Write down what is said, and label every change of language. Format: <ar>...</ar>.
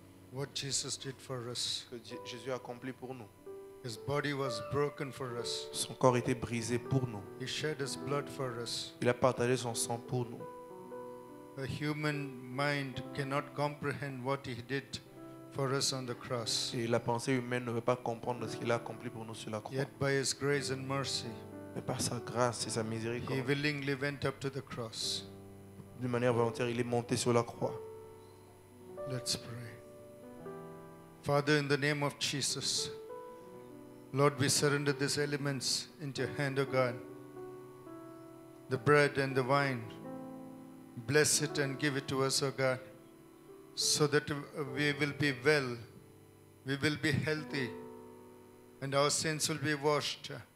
<en>What Jesus did for us.</en> <fr>Que Jésus a accompli pour nous.</fr> <en>His body was broken for us.</en> <fr>Son corps était brisé pour nous.</fr> <en>He shed his blood for us.</en> <fr>Il a partagé son sang pour nous.</fr> <en>A human mind cannot comprehend what he did for us on the cross.</en> <fr>Et la pensée humaine ne peut pas comprendre ce qu'il a accompli pour nous sur la croix.</fr> <en>Yet by his grace and mercy,</en> <fr>mais par sa grâce et sa miséricorde,</fr> <en>he willingly went up to the cross.</en> <fr>D'une manière volontaire, il est monté sur la croix.</fr> <en>Let's pray. Father, in the name of Jesus, Lord, we surrender these elements into your hand, O God. The bread and the wine, bless it and give it to us, O God, so that we will be well, we will be healthy, and our sins will be washed.</en>